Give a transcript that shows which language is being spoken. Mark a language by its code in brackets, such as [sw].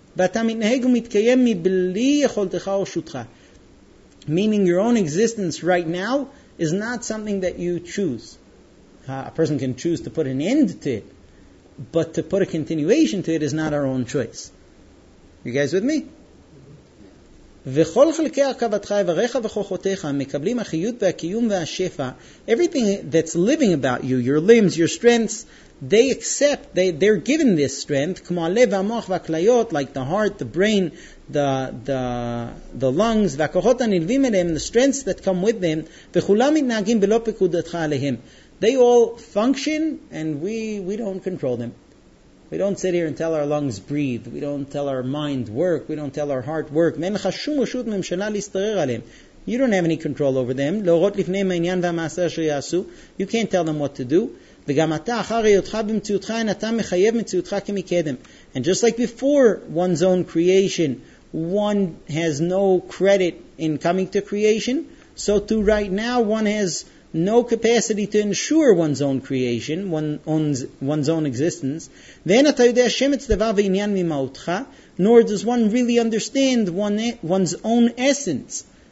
[he] V'ata mitnehegu mitkayem mibli yecholtecha ushutcha. [en] Meaning your own existence right now is not something that you choose. A person can choose to put an end to it. But to put a continuation to it is not our own choice. You guys with me? [he] וכל חלקי הרכבתך, איבריך וכוחותיך, מקבלים החיות והקיום והשפע. [en] Everything that's living about you, your limbs, your strengths, they accept, they're given this strength, [he] כמו הלב והמוח והכליות, [en] like the heart, the brain, the lungs, [he] והכוחות הנלווים אליהם, [en] the strengths that come with them, [he] וכולם מתנהגים בלא פקודתך עליהם. [en] They all function, and we don't control them. We don't sit here and tell our lungs breathe. We don't tell our mind work. We don't tell our heart work. [he] ואין לך שום רשות ממשלה להסתרר עליהם. [en] You don't have any control over them. [he] להורות לפניהם העניין והמעשה אשר יעשו. [en] You can't tell them what to do. [he] וגם אתה, אחר היותך במציאותך, אין אתה מחייב מציאותך כמקדם. [en] And just like before one's own creation, one has no credit in coming to creation, so too right now one has no capacity to ensure one's own creation, one's own existence. [he] ואין אתה יודע שם הצדבר ועניין ממהותך, [en] nor does one really understand one's own essence.